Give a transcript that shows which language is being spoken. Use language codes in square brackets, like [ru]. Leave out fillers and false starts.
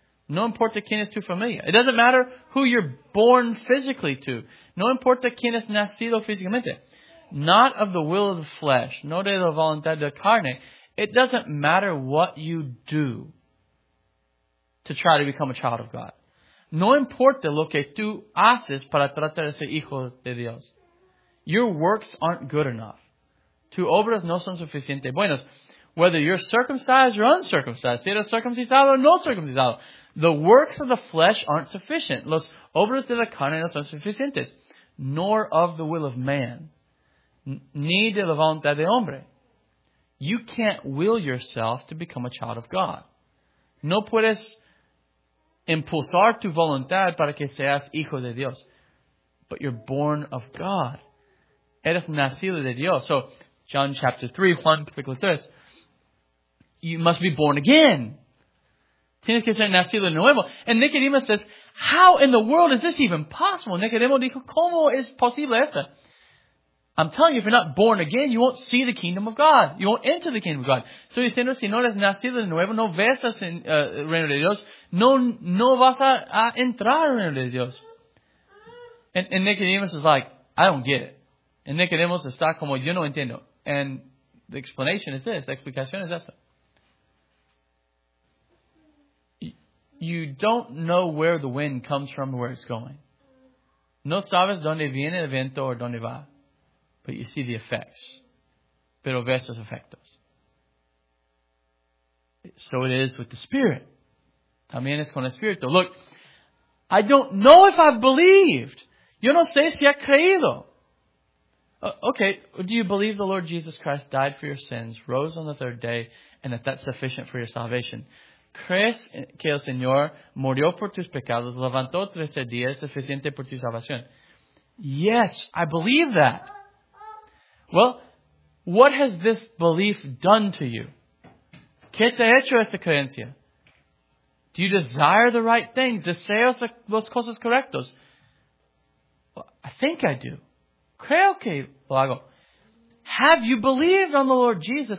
[es] No importa quién es tu familia. [en] It doesn't matter who you're born physically to. [es] No importa quién es nacido físicamente. [en] Not of the will of the flesh. [es] No de la voluntad de carne. [en] It doesn't matter what you do to try to become a child of God. [es] No importa lo que tú haces para tratar de ser hijo de Dios. [en] Your works aren't good enough. [es] Tus obras no son suficientes buenas. [en] Whether you're circumcised or uncircumcised, [es] si eres circuncisado o no circuncisado, [en] the works of the flesh aren't sufficient. [es] Los obras de la carne no son suficientes. [en] Nor of the will of man. [es] Ni de la voluntad de hombre. [en] You can't will yourself to become a child of God. [es] No puedes impulsar tu voluntad para que seas hijo de Dios. [en] But you're born of God. [es] Eres nacido de Dios. [en] So, John chapter 3, [es] Juan capítulo 3. [en] You must be born again. [es] Tienes que ser nacido de nuevo. [en] And Nicodemus says, how in the world is this even possible? [es] Nicodemo dijo, ¿cómo es posible esto? [en] I'm telling you, if you're not born again, you won't see the kingdom of God. You won't enter the kingdom of God. So he's saying, [es] si no eres nacido de nuevo, no ves el reino de Dios, no vas a entrar al reino de Dios. [en] And Nicodemus is like, I don't get it. And Nicodemus [es] está como, yo no entiendo. [en] And the explanation is this, the [es] explicación es esta. [en] You don't know where the wind comes from or where it's going. [es] No sabes dónde viene el viento o dónde va. [en] But you see the effects. [es] Pero ves los efectos. [en] So it is with the Spirit. [es] También es con el Espíritu. [en] Look, I don't know if I've believed. [es] Yo no sé si he creído. [en] Okay, do you believe the Lord Jesus Christ died for your sins, rose on the third day, and that that's sufficient for your salvation? [es] ¿Crees que el Señor murió por tus pecados, levantó 13 días, suficiente por tu salvación? [en] Yes, I believe that. Well, what has this belief done to you? [es] ¿Qué te ha hecho esta creencia? [en] Do you desire the right things? [es] ¿Deseos las cosas correctas? [en] Well, I think I do. [es] Creo que lo hago. [en] Have you believed on the Lord Jesus?